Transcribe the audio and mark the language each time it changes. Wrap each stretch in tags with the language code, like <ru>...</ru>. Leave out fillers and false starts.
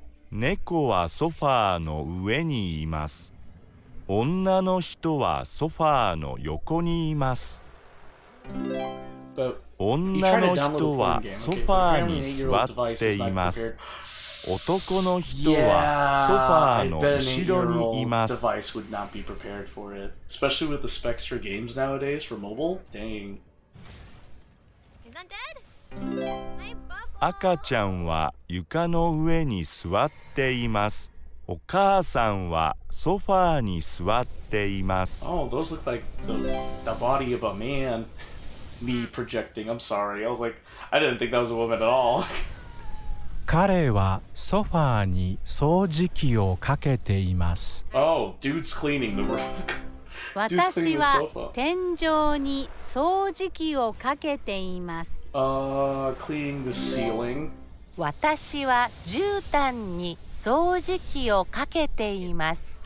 <ja>猫はソファーの上にいます。女の人はソファーの横にいます。女の人はソファーに座っています。男の人はソファーの後ろにいます。</ja> <en>Yeah, I bet an 8-year-old device would not be prepared for it. Especially with the specs for games nowadays for mobile. Dang. He's not dead?</en> <ja>赤ちゃんは床の上に座っています。お母さんはソファーに座っています。</ja> <en>Oh, those look like the body of a man. Me projecting. I'm sorry. I was like, I didn't think that was a woman at all.</en> <ja>彼はソファーに掃除機をかけています。</ja> <en>Oh, dude's cleaning the room.</en> <ja>私は天井に掃除機をかけています。</ja> <en>Cleaning the ceiling.</en> <ja>私は絨毯に掃除機をかけています。</ja>